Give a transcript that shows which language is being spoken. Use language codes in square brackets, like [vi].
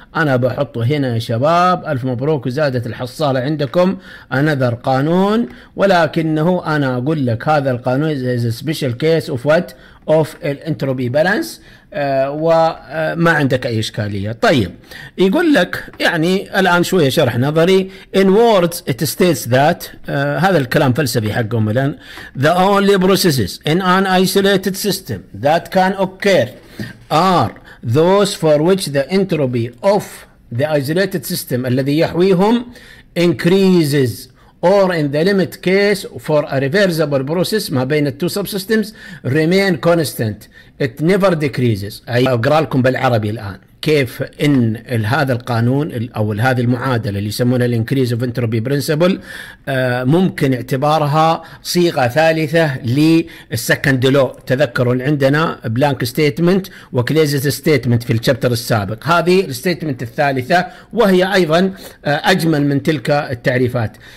[ar] أنا بحطه هنا يا شباب، ألف مبروك وزادت الحصالة عندكم، another قانون، ولكنه أنا أقول لك هذا القانون [en] is a special case of what of entropy balance. [ar] وما عندك أي إشكالية. طيب يقول لك يعني الآن شوية شرح نظري. [en] In words it states that [ar] هذا الكلام فلسفي حقهم الآن. [en] The only processes in an isolated system that can occur are those for which the entropy of the isolated system [ar] الذي يحويهم [en] increases or in the limit case for a reversible process [ar] ما بين التو [en] subsystems remain constant it never decreases. [ar] أي أقرأ لكم بالعربي الآن كيف إن هذا القانون أو هذه المعادلة اللي يسمونها [en] increase of entropy principle [ar] ممكن اعتبارها صيغة ثالثة للسكند لو. تذكروا عندنا blank statement وclosed statement في الشابتر السابق، هذه statement الثالثة وهي أيضا أجمل من تلك التعريفات.